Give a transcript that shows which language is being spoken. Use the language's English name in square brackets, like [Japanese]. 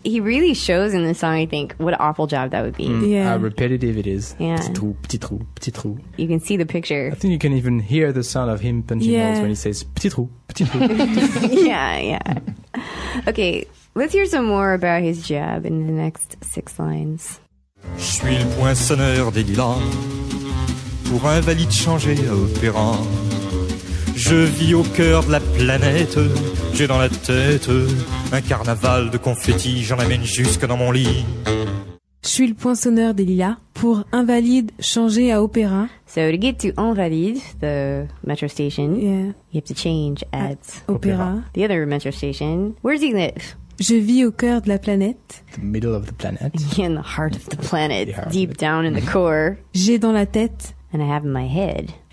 [English] He really shows in the song, I think, what an awful job that would be. Mm. Yeah. How repetitive it is. Yeah. [French] Petit trou, petit trou, petit trou. [English] You can see the picture. I think you can even hear the sound of him punching holes when he says, [French] petit trou, petit trou. [English] Yeah, yeah. Okay, let's hear some more about his job in the next six lines. [French] Je suis le poinçonneur des lilas pour un valide changé à opéra. Je vis au cœur de la planète, j'ai dans la tête un carnaval de confettis, j'en amène jusque dans mon lit. Je suis le poinçonneur des lilas pour invalide changé à opéra. [English] So to get to Invalide, the metro station, you have to change at opéra. The other metro station. Where does he live? [French] Je vis au cœur de la planète. [English] The middle of the planet. In the heart of the planet, deep down in the core. [French] J'ai dans la tête. [English] And I have in my head.